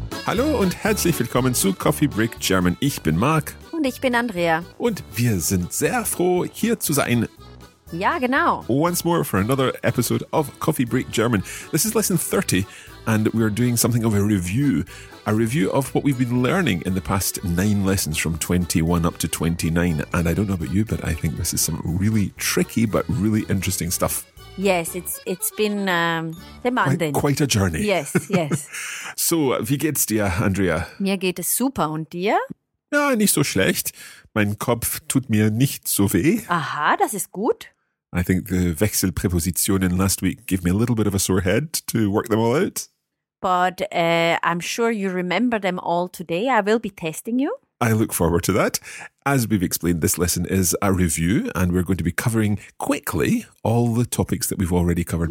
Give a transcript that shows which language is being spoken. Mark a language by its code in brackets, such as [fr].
[de] Hallo und herzlich willkommen zu Coffee Break German. Ich bin Marc. Und ich bin Andrea. Und wir sind sehr froh, hier zu sein. Ja, genau. [en] Once more for another episode of Coffee Break German. This is lesson 30 and we are doing something of a review. A review of what we've been learning in the past 9 lessons from 21 up to 29. And I don't know about you, but I think this is some really tricky but really interesting stuff. Yes, it's been demanding. Quite a journey. Yes, yes. [de] So, wie geht's dir, Andrea? Mir geht es super. Und dir? Ja, nicht so schlecht. Mein Kopf tut mir nicht so weh. Aha, das ist gut. [en] I think the Wechselpräposition in last week gave me a little bit of a sore head to work them all out. But I'm sure you remember them all today. I will be testing you. I look forward to that. As we've explained, this lesson is a review and we're going to be covering quickly all the topics that we've already covered.